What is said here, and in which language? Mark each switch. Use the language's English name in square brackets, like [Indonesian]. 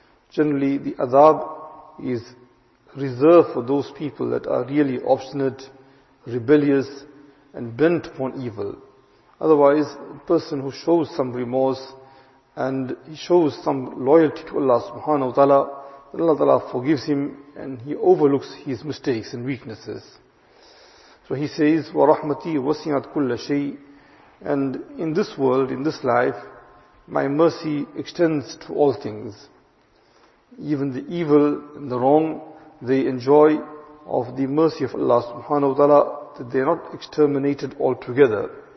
[English] Generally, the adab is reserved for those people that are really obstinate, rebellious, and bent upon evil. Otherwise, a person who shows some remorse and he shows some loyalty to Allah subhanahu wa ta'ala, then Allah ta'ala forgives him and he overlooks his mistakes and weaknesses. So he says, [Arabic] وَرَحْمَتِي وَسِعَتْ كُلَّ شَيْءٍ. [English] And in this world, in this life, my mercy extends to all things. Even the evil and the wrong, they enjoy of the mercy of Allah subhanahu wa ta'ala, that they are not exterminated altogether.